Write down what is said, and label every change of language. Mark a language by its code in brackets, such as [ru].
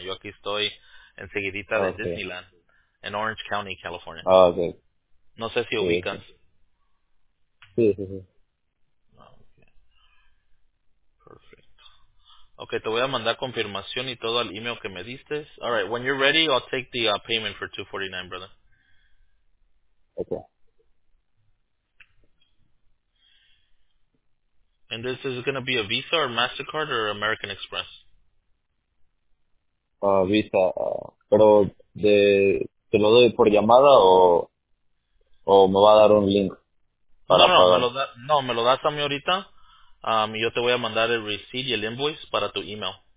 [es] Yo aquí estoy enseguidita de [en] Okay. [es] Disneyland, en Orange County, California. [en] Okay. [es] No sé si Sí, ubicas. sí. Sí. Okay, te voy a mandar confirmación y todo al email que me diste. [en] All right, when you're ready, I'll take the payment for $249, brother. Okay. And this is going to be a Visa or MasterCard or American Express? [es] Visa, pero te lo doy por llamada o me va a dar un link No, para pagar. no, me lo das a mí ahorita. Y yo te voy a mandar el receipt y el invoice para tu email.